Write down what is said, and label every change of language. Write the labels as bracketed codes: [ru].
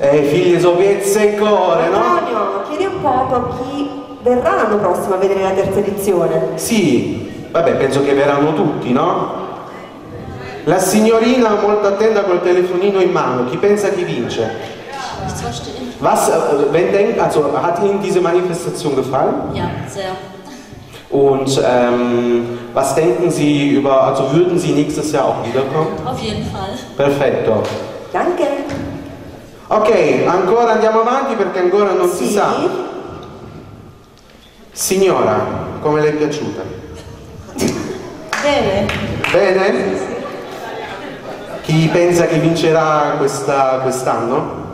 [it] Figli di Sofia e core, no? Antonio, chiedi un po' a chi verrà l'anno prossimo a vedere la terza edizione. Sì, vabbè, penso che verranno tutti, no? La signorina molto attenta col telefonino in mano, chi pensa chi vince? [de] Was wenn denkt also hat Ihnen diese Manifestation gefallen? Ja, sehr. Und was denken Sie über also würden Sie nächstes Jahr auch wiederkommen? Auf jeden Fall. [it] Perfetto. [de] Danke. [it] Ok, ancora andiamo avanti perché ancora non si sa. Signora, come le è piaciuta? Bene. Bene? Chi pensa che vincerà quest'anno?